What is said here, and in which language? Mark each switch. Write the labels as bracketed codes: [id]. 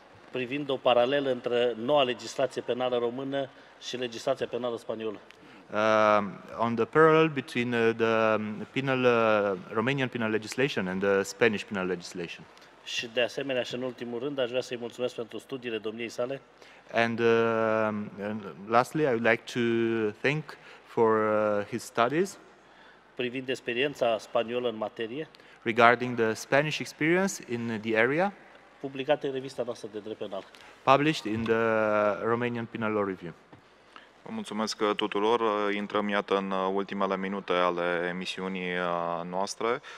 [ro] privind o paralelă între noua legislație penală română și legislația penală spaniolă. [en] On the parallel between the penal Romanian penal legislation and the Spanish penal legislation. [ro] Și de asemenea, și în ultimul rând, aș vrea să-i mulțumesc pentru studiile domniei sale. [en] And lastly, I would like to thank for his studies. [ro] Privind experiența spaniolă în materie. [en] Regarding the Spanish experience in the area, [ro] publicată în revista noastră de drept penal, [en] published in the Romanian Penal Law Review. [ro] Vă mulțumesc tuturor. Intrăm, iată, în ultimele minute ale emisiunii noastre.